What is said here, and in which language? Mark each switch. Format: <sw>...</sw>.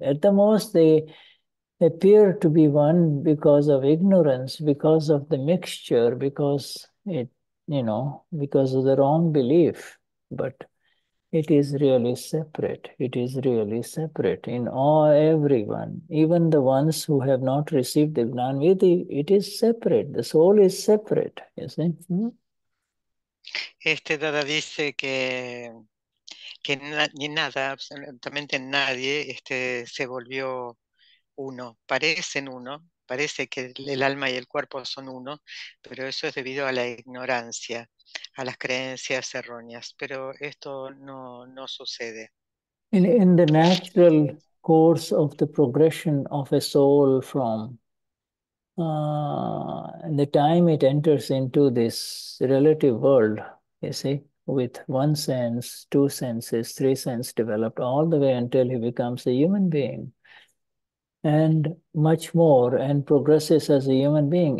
<en>At the most, they appear to be one because of ignorance, because of the mixture, because it, you know, because of the wrong belief. But it is really separate. It is really separate in all, everyone, even the ones who have not received the Gnanvidhi. It is separate. The soul is separate, you see. Hmm?</en> <es>Dada dice que ni nada, absolutamente nadie, se volvió uno. Parecen uno, parece que el alma y el cuerpo son uno, pero eso es debido a la ignorancia, a las creencias erróneas, pero esto no sucede.</es> <en>In the natural course of the progression of a soul from and the time it enters into this relative world, you see, with one sense, two senses, three senses developed all the way until he becomes a human being and much more and progresses as a human being.</en>